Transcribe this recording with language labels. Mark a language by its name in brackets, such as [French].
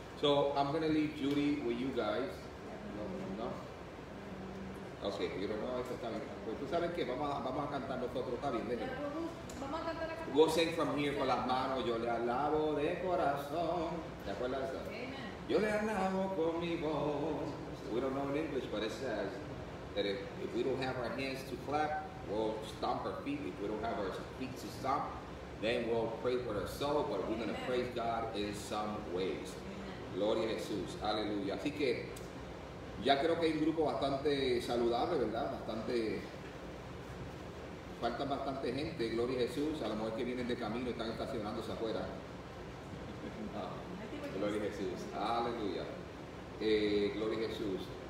[English] So I'm gonna leave Judy with you guys. No. Okay, you don't know. It's a time. [Spanish] Pues tú sabes que vamos a cantar nosotros, está bien. Vamos a cantar. [English] We'll sing from here [Spanish] con las manos. Yo le alabo de corazón. ¿Te acuerdas? Amen. Yo le alabo con mi voz. [English] We don't know in English, but it says that if we don't have our hands to clap, we'll stomp our feet. If we don't have our feet to stomp, then we'll pray for our soul, but we're going to praise God in some ways. Amen. [Spanish] Gloria a Jesús. Aleluya. Así que ya creo que hay un grupo bastante saludable, ¿verdad? Bastante. Falta bastante gente. Gloria a Jesús. A lo mejor que vienen de camino y están estacionándose afuera. Gloria a Jesús. Aleluya. Gloria a Jesús.